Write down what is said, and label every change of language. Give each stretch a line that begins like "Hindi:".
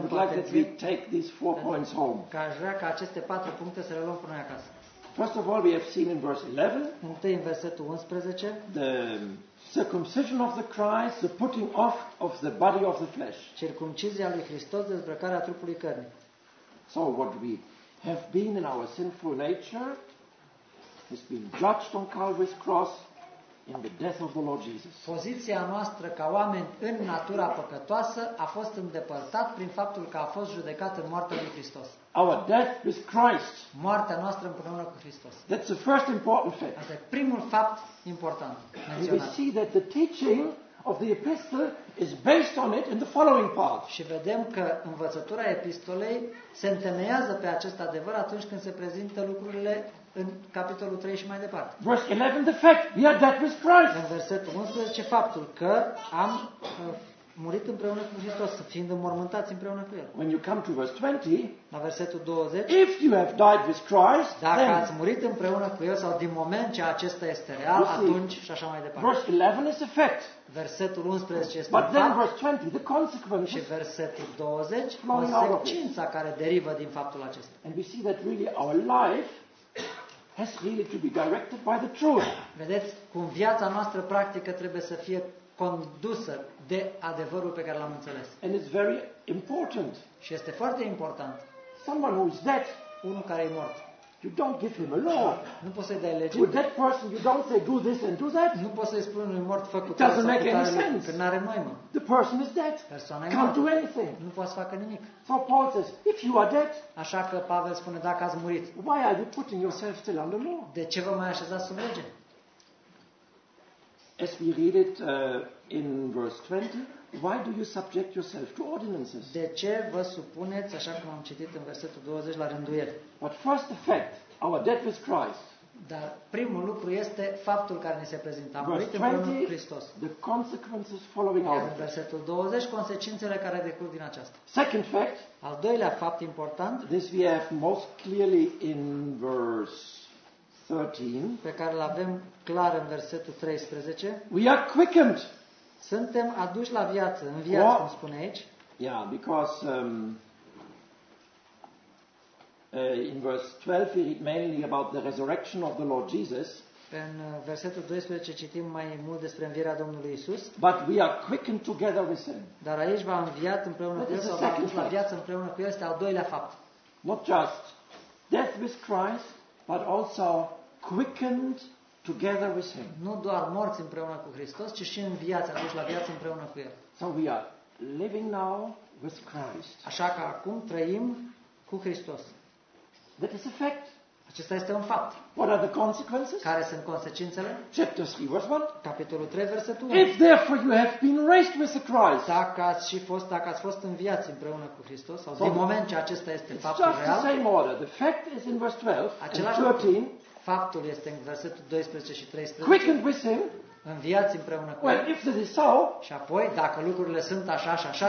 Romanian: cu atenție.
English: I would like that we take these four points home.
Romanian: Că aș vrea ca aceste patru puncte să le luăm până acasă.
English: First of all, we have seen in verse 11.
Romanian: Întâi în versetul 11.
English: The circumcision of the Christ, the putting off of the body of the flesh.
Romanian: Circumcizia lui Hristos, dezbrăcarea trupului cărnii.
English: So what we have been in our sinful nature has been judged on Calvary's cross in the death of the Lord Jesus.
Romanian: Poziția noastră ca oameni în natura păcătoasă a fost îndepărtat prin faptul că a fost judecat în moartea lui Hristos.
English: Our death with Christ.
Romanian: Moartea noastră împreună cu Hristos.
English: That's the first important fact.
Romanian: Asta e primul fapt important.
English: We see that the teaching of the epistle is based on it in the following part.
Romanian: Și vedem că învățătura epistolei se întemeiază pe acest adevăr atunci când se prezintă lucrurile în capitolul 3 și mai departe.
English: Verse 11, the fact we are dead with Christ.
Romanian: În versetul 11, faptul că am murit împreună cu Hristos, fiind înmormântați împreună cu El.
English: When you come to verse 20,
Romanian: la versetul 20,
English: if you have died with Christ,
Romanian: dacă ați murit împreună cu El sau din moment ce acesta este real, atunci și așa mai departe.
English: Verse 11 is a fact.
Romanian: Versetul 11 este
English: fapt. But then verse 20, the consequence.
Romanian: Și versetul 20, consecința care derivă din faptul acesta.
English: And we see that really our life has really to be directed by the truth.
Romanian: Vedeți cum viața noastră practică trebuie să fie condusă de adevărul pe care l-am înțeles.
English: And it's very important.
Romanian: Și este foarte important.
English: Someone who is dead,
Romanian: unul care e mort.
English: You don't give him a law.
Romanian: Nu poți să-i dai lege.
English: To a dead person, you don't say do this and do that.
Romanian: Nu poți să-i spui unui mort făcut.
English: It doesn't make any sense.
Romanian: Că n-are maimă.
English: The person is dead.
Romanian: Persoana e
English: mort. Can't do anything.
Romanian: Nu poți să facă nimic.
English: So Paul says, if you are dead.
Romanian: Așa că Pavel spune, dacă ați murit.
English: Why are you putting yourself still under law?
Romanian: De ce vă mai așezați sub lege?
English: As we read it in verse 20, why do you subject yourself to ordinances?
Romanian: De ce vă supuneți, așa cum am citit în versetul 20, la rânduieli?
English: But first effect, our death with Christ.
Romanian: Dar primul lucru este faptul care ne se prezintă. Am murit împreună cu Hristos.
English: The consequences following our death.
Romanian: În versetul 20, consecințele care decurg din aceasta.
English: Second fact.
Romanian: Al doilea fapt important.
English: This we have most clearly in verse 13.
Romanian: Pe care l-avem clar în versetul 13.
English: We are quickened.
Romanian: Suntem aduși la viață, în viață, cum spune aici.
English: Yeah, because in verse 12 we read mainly about the resurrection of the Lord Jesus.
Romanian: În versetul 12 citim mai mult despre învierea Domnului Isus.
English: But we are quickened together with him.
Romanian: Dar aici va înviat împreună cu El, sau va aduce la viață împreună cu El, este al doilea fapt.
English: Not just death with Christ, but also quickened together with him.
Romanian: Nu doar morți împreună cu Hristos, ci și în viață, aduși la viață împreună cu El.
English: So we are living now with Christ.
Romanian: Așa că acum trăim cu Hristos.
English: That is a fact.
Romanian: Acesta este un fapt.
English: What are the consequences?
Romanian: Care sunt consecințele?
English: Chapter 3, verse 1.
Romanian: Capitolul 3, versetul 1.
English: If therefore you have been raised with Christ.
Romanian: Dacă ați fost înviați împreună cu Hristos, sau din moment ce acesta este faptul real.
English: It's just the same order. The fact is in verse 12 and 13.
Romanian: Faptul este în versetul 12 și 13.
English: Quickened with him.
Romanian: Înviați împreună cu
English: el. Well, if this is so.
Romanian: Și apoi, dacă lucrurile sunt așa și așa